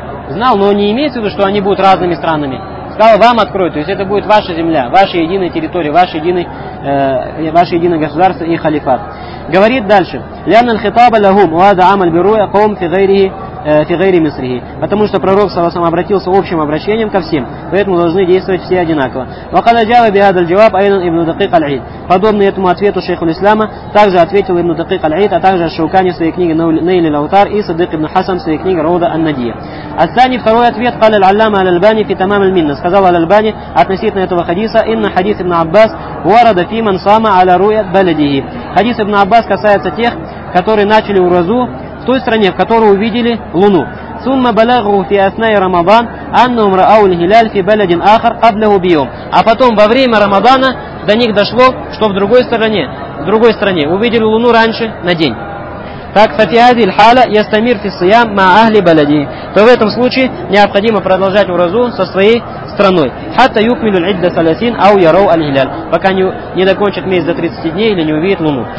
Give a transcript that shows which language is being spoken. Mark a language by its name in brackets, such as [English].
[Russian] Знал, но не имеется в виду, что они будут разными странами. Сказал, вам открою, то есть это будет ваша земля, ваша единая территория, ваше единое государство и халифат. Говорит дальше. [Arabic] لأن الخطاب لهم وهذا عمل بروية قوم في غير مصره. [Russian] Потому что пророк саллаллаху алейхи ва саллям обратился общим обращением ко всем, поэтому должны действовать все одинаково. [Arabic] وقال جاب بهذا الجواب أيضا ابن دقيق العيد. [Russian] Подобный этому ответу шейху ислама также ответил ибн Дакик аль-Айд, а также Ашшаукани в своей книге Найли Лаутар и Садык ибн Хасан в своей книге Роуда ан-Надия. [Arabic] Ас-Сани [Russian] второй ответ [Arabic] قال العلامة الألباني في تمام المنة. [Russian] Сказал аль-Альбани относительно этого хадиса, [Arabic] инна [Russian] хадис ибн Аббас [Arabic] ورد في من صام على رؤية بلده. [Russian] Хадис ибн Аббас касается тех, которые начали уразу в той стране, в которой увидели луну. [Arabic] ثم بلغوا في أثناء رمضان أنهم رأوا الهلال في بلد آخر قبله بيوم. [Russian] А потом во время Рамадана до них дошло, что в другой стране увидели луну раньше на день. так [Arabic] фатиади лхала ястамир фисиям ма ахли балади, [Russian] то в этом случае необходимо продолжать уразу со своей страной. [Arabic] Хатта юкмилю лидда саласин ау яроу аль-хиляль, [Russian] пока не докончат месяц до 30 дней или не увидят луну.